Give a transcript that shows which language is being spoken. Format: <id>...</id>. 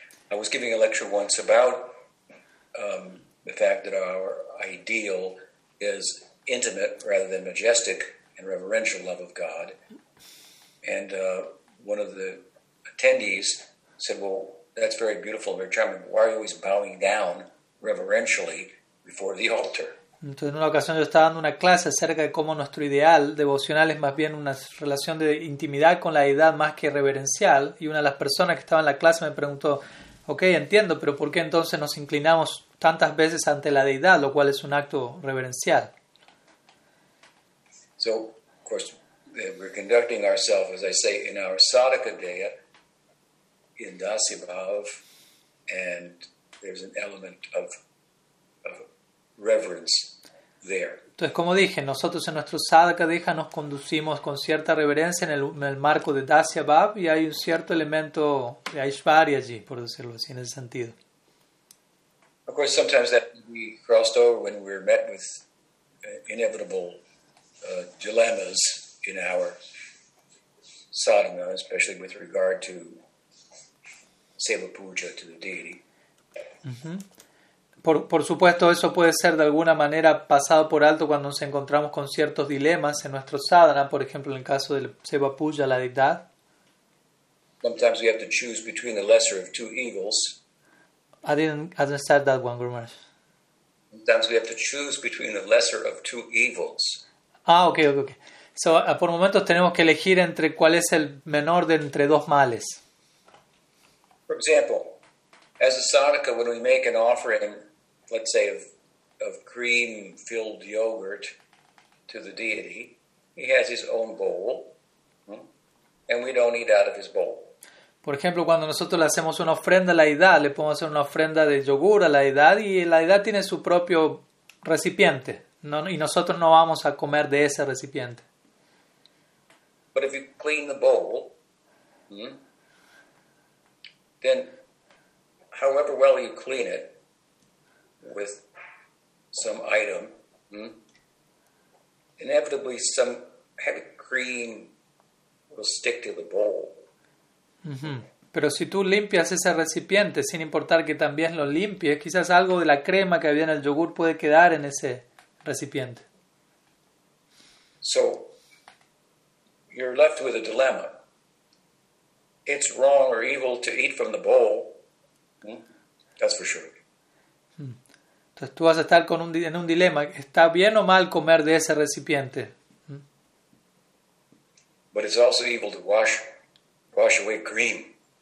<en>I was giving a lecture once about the fact that our ideal is intimate rather than majestic and reverential love of God. And one of the attendees said, well, that's very beautiful, very charming, but why are you always bowing down reverentially before the altar?</en> <es>Entonces, en una ocasión yo estaba dando una clase acerca de cómo nuestro ideal devocional es más bien una relación de intimidad con la deidad más que reverencial. Y una de las personas que estaba en la clase me preguntó, ok, entiendo, pero ¿por qué entonces nos inclinamos tantas veces ante la deidad, lo cual es un acto reverencial?</es> <en>So, of course, we're conducting ourselves, as I say, in our sadhaka daya, in dasibhav, and there's an element of reverence there.</en> <es>Entonces, como dije, nosotros en nuestro sadhaka daya nos conducimos con cierta reverencia en el marco de dasibhav, y hay un cierto elemento de aishvarya allí, por decirlo así, en ese sentido.</es> <en>Of course, sometimes that we crossed over when we were met with inevitable dilemmas in our sadhana, especially with regard to seva puja to the deity. Mm-hmm.</en> <es>Por supuesto, eso puede ser de alguna manera pasado por alto cuando nos encontramos con ciertos dilemas en nuestro sadhana, por ejemplo, en el caso del seva puja, la deidad.</es> <en>Sometimes we have to choose between the lesser of two evils. I didn't start that one, Guru Maharaj. Sometimes we have to choose between the lesser of two evils. Ah, ok.</en> <es>So, por momentos tenemos que elegir entre cuál es el menor de entre dos males.</es> <en>For example, as a sadhaka, when we make an offering, let's say, of cream-filled yogurt to the deity, he has his own bowl, and we don't eat out of his bowl.</en> <es>Por ejemplo, cuando nosotros le hacemos una ofrenda a la deidad, le podemos hacer una ofrenda de yogur a la deidad, y la deidad tiene su propio recipiente. No, y nosotros no vamos a comer de ese recipiente.</es> <en>But if you clean the bowl, then however well you clean it with some item, inevitably some heavy cream will stick to the bowl. Mm-hmm.</en> <es>Pero si tú limpias ese recipiente, sin importar que también lo limpies, quizás algo de la crema que había en el yogur puede quedar en ese recipiente.</es> <en>So, you're left with a dilemma. It's wrong or evil to eat from the bowl. That's for sure.</en> <es>Entonces tú vas a estar en un dilema. ¿Está bien o mal comer de ese recipiente?</es> <en>But it's also evil to wash away cream.</en>